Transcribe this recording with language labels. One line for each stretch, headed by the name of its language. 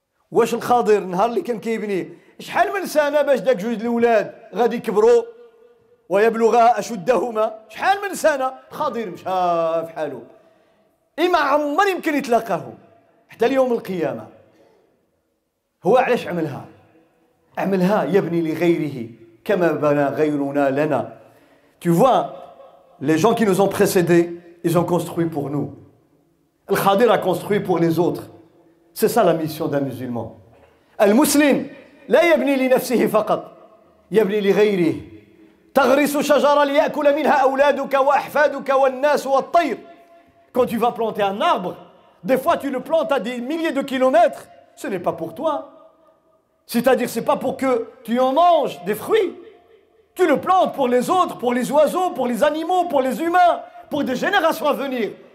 Arabic: واش الخضر نهار اللي كان كيبني شحال من سنة باش داك جوج الأولاد غادي يكبروا ويبلغا أشدهما؟ شحال من سنة الخضر مشى في حاله، إما عمر يمكن يتلاقاهم حتى اليوم القيامة. هو علاش عملها؟ عملها يبني لغيره كما بنى غيرنا لنا.
French: Tu vois, les gens qui nous ont précédés, ils ont construit pour nous. Al-Khadir a construit pour les autres. C'est ça la mission d'un musulman.
Arabic: Al-Muslim, لا يبني لنفسه فقط، يبني لغيره. تغرس شجرة ليأكل منها أولادك وأحفادك والناس والطير.
French: Quand tu vas planter un arbre, des fois tu le plantes à des milliers de kilomètres, ce n'est pas pour toi. C'est-à-dire, ce n'est pas pour que tu en manges des fruits. Tu le plantes pour les autres, pour les oiseaux, pour les animaux, pour les humains, pour des générations à venir.